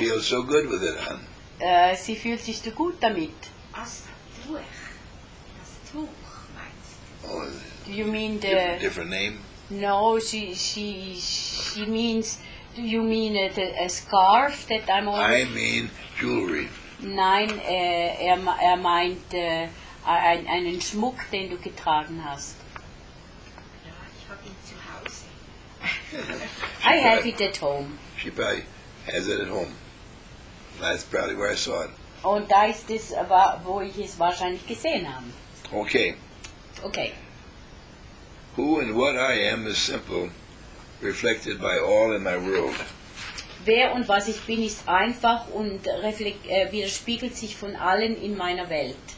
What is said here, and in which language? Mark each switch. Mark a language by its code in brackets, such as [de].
[en] She feels so good with it, huh? [de] Sie fühlt sich so gut damit. Das Tuch, meinst du? [en] Oh, do you mean the different name? No, she means. Do you mean a scarf that I'm wearing? I mean jewelry. [de] Nein, er meint einen Schmuck, den du getragen hast. Ja, ich habe ihn zu Hause. [en] I have it at home. She probably has it at home. That's probably where I saw it. [de] Und da ist es, wo ich es wahrscheinlich gesehen habe. [en] Okay. Who and what I am is simple, reflected by all in my world. [de] Wer und was ich bin, ist einfach und widerspiegelt sich von allen in meiner Welt.